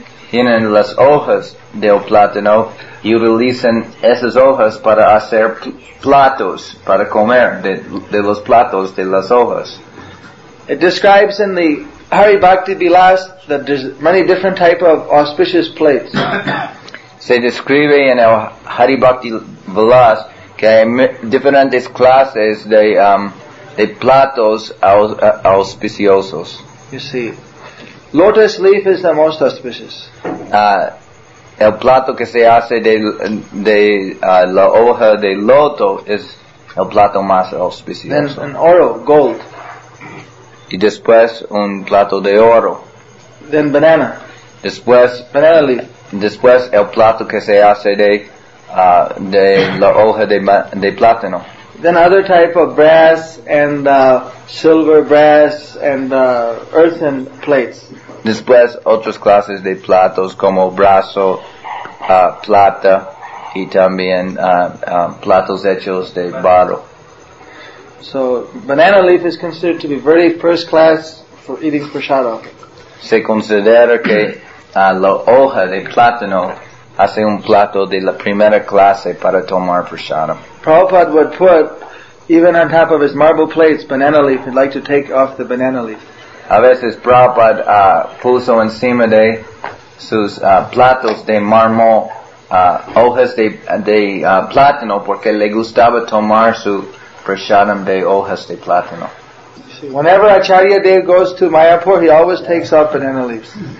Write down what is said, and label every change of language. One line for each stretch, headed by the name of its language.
Spanish: Tienen las hojas del plátano y utilizan esas hojas para hacer platos, para comer de los platos de las hojas.
English: It describes in the Hari Bhakti Vilas that there's many different type of auspicious plates.
Spanish: Se describe en el Hari Bhakti Vilas que hay diferentes clases de platos auspiciosos.
English: You see, lotus leaf is the most auspicious.
Spanish: El plato que se hace de la hoja de loto es el plato más auspicioso.
English: Then an oro, gold.
Spanish: Y después un plato de oro.
English: Then banana.
Spanish: Después
English: banana leaf.
Spanish: Después el plato que se hace de la hoja de plátano.
English: Then other type of brass and silver brass and earthen plates.
Spanish: Después otras clases de platos como brazo, plata y también platos hechos de barro.
English: So banana leaf is considered to be very first class for eating prasada.
Spanish: Se considera que la hoja de plátano hace un plato de la primera clase para tomar prasada.
English: Prabhupada would put, even on top of his marble plates, banana leaf. He'd like to take off the banana leaf.
Spanish: A veces Prabhupada puso encima de sus platos de mármol hojas de plátano porque le gustaba tomar su prasadam de hojas de plátano.
English: Whenever Acharya Dev goes to Mayapur, he always takes off banana leaves.